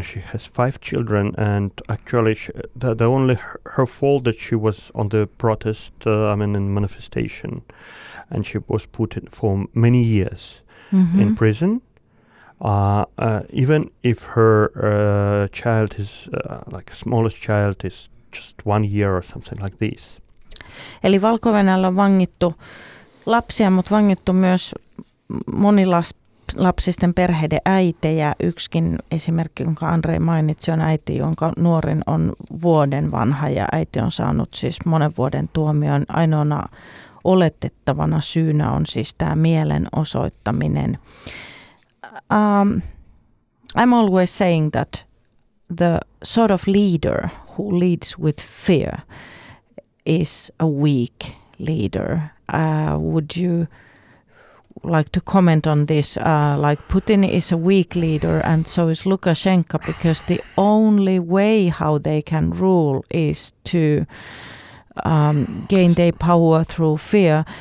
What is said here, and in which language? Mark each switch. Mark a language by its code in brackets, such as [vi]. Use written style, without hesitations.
[en] She has 5 children, and actually the only her fault that she was on the protest, in manifestation, and she was put in for many years. mm-hmm. in prison. Even if her child is like smallest child is just 1 year or something like this. [fi] Eli Valko-Venäjällä on vangittu lapsia, mutta vangittu myös monilapsisten perheiden äitejä. Yksikin esimerkki, jonka Andrei mainitsi, on äiti, jonka nuorin on vuoden vanha ja äiti on saanut siis monen vuoden tuomion. Ainoana oletettavana syynä on siis tämä mielenosoittaminen. [en] I'm always saying that the sort of leader who leads with fear is a weak leader. Would you like to comment on this? Like Putin is a weak leader and so is Lukashenko, because the only way how they can rule is to gain their power through fear.